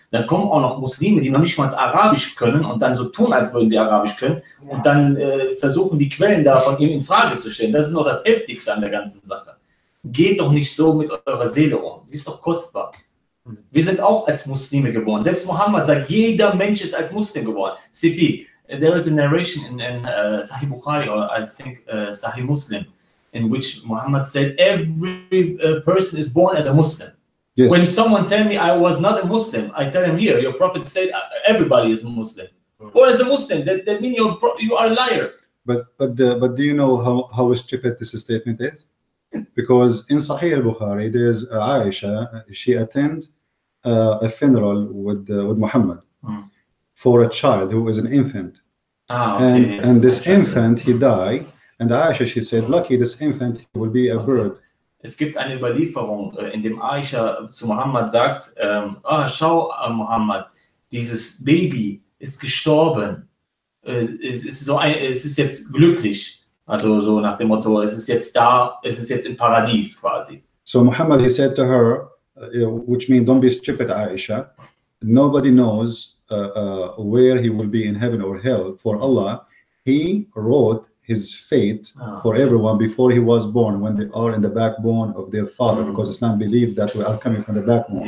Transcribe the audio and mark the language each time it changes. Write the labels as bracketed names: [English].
[German] Dann kommen auch noch Muslime, die noch nicht mal Arabisch können und dann so tun, als würden sie Arabisch können, ja, und dann versuchen, die Quellen davon eben in Frage zu stellen. Das ist noch das Heftigste an der ganzen Sache. Geht doch nicht so mit eurer Seele um. Die ist doch kostbar. Wir sind auch als Muslime geboren. Selbst Mohammed sagt, jeder Mensch ist als Muslim geboren. [English] CP, there is a narration in Sahih Bukhari or I think Sahih Muslim, in which Muhammad said, every person is born as a Muslim. Yes. When someone tell me I was not a Muslim, I tell him, here, your prophet said, everybody is a Muslim. Or as a Muslim, that means you are a liar. But do you know how stupid this statement is? Because in Sahih al-Bukhari, there's Aisha, she attend a funeral with Muhammad for a child who is an infant. Ah, okay. And this infant, he died. And Aisha, she said, lucky this infant will be a bird. [German] Es gibt eine Überlieferung, in dem Aisha zu Muhammad sagt, ah, schau, Muhammad, dieses Baby ist gestorben. Es ist jetzt glücklich. Also so nach dem Motto, es ist jetzt da, es ist jetzt im Paradies quasi. [English] So Muhammad, he said to her, which means don't be stupid, Aisha. Nobody knows where he will be in heaven or hell. For Allah, he wrote his fate for everyone before he was born, when they are in the backbone of their father, because it's not believed that we are coming from the backbone.